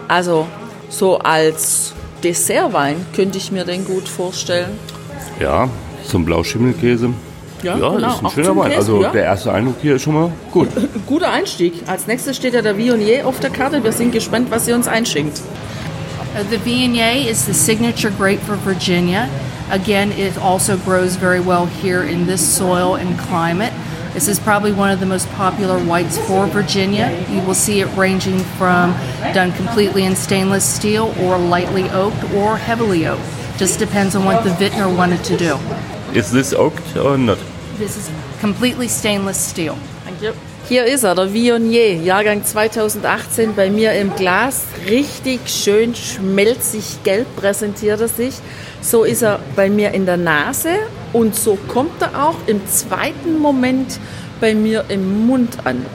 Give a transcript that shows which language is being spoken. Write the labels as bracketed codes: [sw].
[de] Also so als Dessertwein könnte ich mir den gut vorstellen. Ja, zum Blauschimmelkäse. Ja, genau. Ist ein schöner Wein. Also ja, der erste Eindruck hier ist schon mal gut. Guter Einstieg. Als nächstes steht ja der Viognier auf der Karte. Wir sind gespannt, was sie uns einschenkt. [en] The Viognier is the signature grape for Virginia. Again, it also grows very well here in this soil and climate. This is probably one of the most popular whites for Virginia. You will see it ranging from done completely in stainless steel or lightly oaked or heavily oaked. Just depends on what the vintner wanted to do. Is this oaked or not? This is completely stainless steel. Thank you. [de] Hier ist er, der Viognier, Jahrgang 2018, bei mir im Glas. Richtig schön schmelzig gelb präsentiert er sich. So ist er bei mir in der Nase Und so kommt er auch im zweiten Moment bei mir im Mund an.